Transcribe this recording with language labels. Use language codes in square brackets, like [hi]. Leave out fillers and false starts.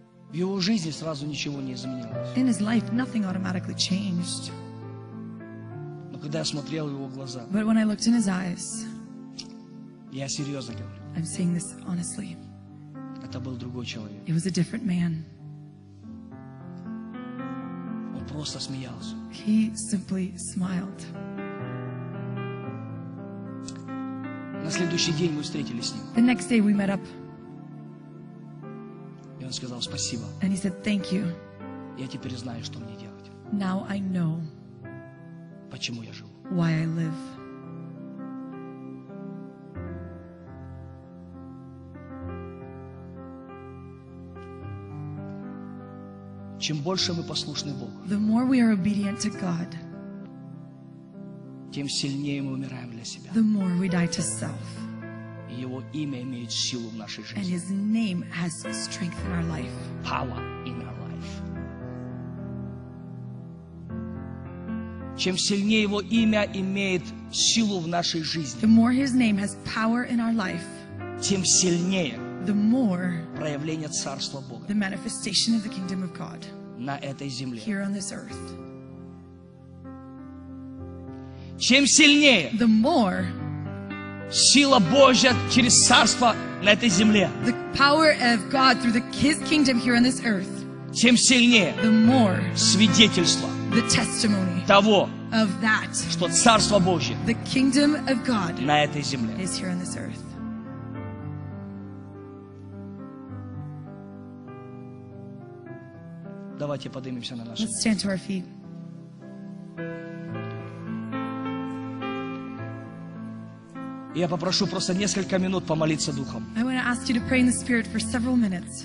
[ru] в его жизни сразу ничего не изменилось. [en] In his life, nothing automatically changed. [ru] Но когда я смотрел в его глаза, [en] but when I looked in his eyes, [ru] я серьезно говорю, [en] I'm saying this honestly, [ru] это был другой человек. [en] It was a different man. [ru] Он просто смеялся. [en] He simply smiled. [ru] На следующий день мы встретились с ним. [en] The next day we met up. [ru] И он сказал спасибо. [en] And he said thank you. [ru] Я теперь знаю, что мне делать. [en] Now I know. [ru] Почему я живу? [en] Why I live. [ru] Чем больше мы послушны Богу, [en] the more we are obedient to God, [ru] тем сильнее мы умираем для себя, [en] the more we die to self, [ru] и Его имя имеет силу в нашей жизни, [en] and His name has strength in our life, power in our life. [ru] Чем сильнее Его имя имеет силу в нашей жизни, [en] the more His name has power in our life, [ru] тем сильнее [en] the more [ru] проявление Царства Бога, [en] the manifestation of the kingdom of God, [ru] на этой земле, [en] here on this earth. [ru] Чем сильнее, [en] the more [ru] сила Божья через Царство на этой земле, [en] the power of God through the His kingdom here on this earth, [ru] чем сильнее, [en] the more [ru] свидетельство, [en] the testimony [ru] того, [en] of that, [ru] что Царство Божье, [en] the kingdom of God, [ru] на этой земле, [en] is here on this earth. [ru] Давайте поднимемся на наши. [en] Let's stand to our feet. [ru] Я попрошу просто несколько минут помолиться Духом. [en] I want to ask you to pray in the Spirit for several minutes.